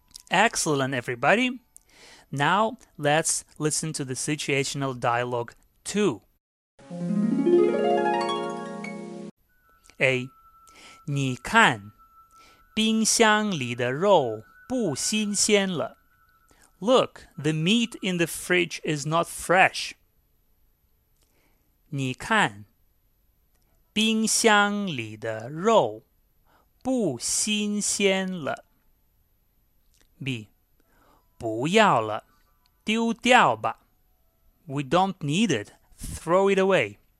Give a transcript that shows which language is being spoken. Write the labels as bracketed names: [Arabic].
[English] Excellent, everybody. Now, let's listen to the situational dialogue 2. A. [Chinese] 你看，冰箱里的肉不新鲜了。 [English] Look, the meat in the fridge is not fresh. [Chinese] 你看冰箱里的肉不新鲜了。 [English] B. [Chinese] 不要了，丢掉吧。 [English] We don't need it. Throw it away.